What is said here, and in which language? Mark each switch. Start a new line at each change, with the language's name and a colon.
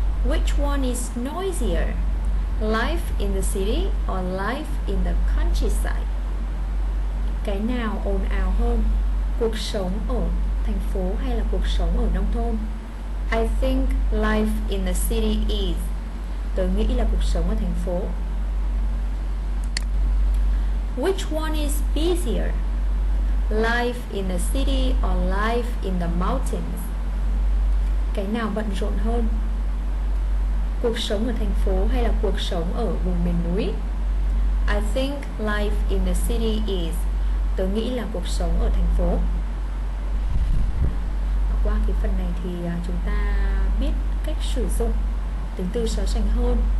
English: Which one is noisier? Life in the city or life in the countryside?
Vietnamese: Cái nào ồn ào hơn? Cuộc sống ở thành phố hay là cuộc sống ở nông thôn?
English: I think life in the city is.
Vietnamese: Tớ nghĩ là cuộc sống ở thành phố.
English: Which one is busier? Life in the city or life in the mountains?
Vietnamese: Cái nào bận rộn hơn? Cuộc sống ở thành phố hay là cuộc sống ở vùng miền núi?
English: I think life in the city is.
Vietnamese: Tớ nghĩ là cuộc sống ở thành phố. Qua cái phần này thì chúng ta biết cách sử dụng tính từ so sánh hơn.